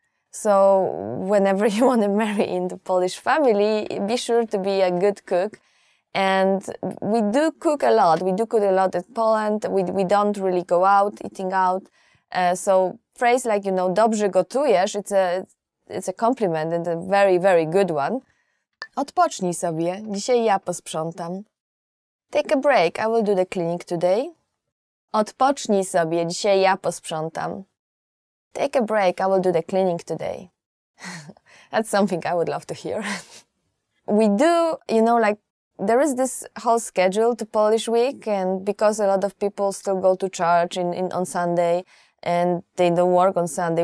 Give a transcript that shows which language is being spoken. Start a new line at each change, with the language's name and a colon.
English: So whenever you want to marry in the Polish family, be sure to be a good cook. And we do cook a lot. We do cook a lot in Poland. We don't really go out eating out. So phrase like, you know,
Polish: dobrze gotujesz,
English: it's a compliment and a very, very good one.
Polish: Odpocznij sobie, dzisiaj ja posprzątam.
English: Take a break, I will do the cleaning today.
Polish: Odpocznij sobie, dzisiaj ja posprzątam.
English: Take a break, I will do the cleaning today. That's something I would love to hear. We do, you know, like, there is this whole schedule to Polish week, and because a lot of people still go to church in on Sunday, and they don't work on Sunday.